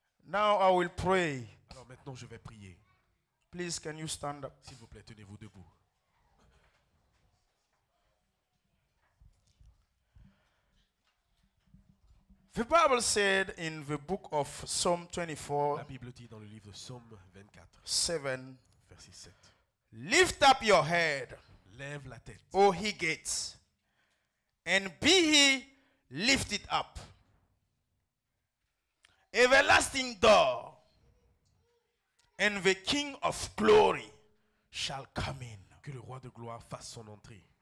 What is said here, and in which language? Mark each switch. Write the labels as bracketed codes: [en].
[en] Now I will pray. [fr] Alors maintenant je vais prier. [en] Please can you stand up? [fr] S'il vous plaît, tenez-vous debout. [en] The Bible said in the book of Psalm 24. [fr] La Bible dit dans le livre de Psaume 24. 7 verset 7. [en] Lift up your head. [fr] Lève la tête. [en] O he gates. And be he lifted up. Everlasting door, and the King of Glory shall come in. [fr] Que le roi de gloire fasse son entrée.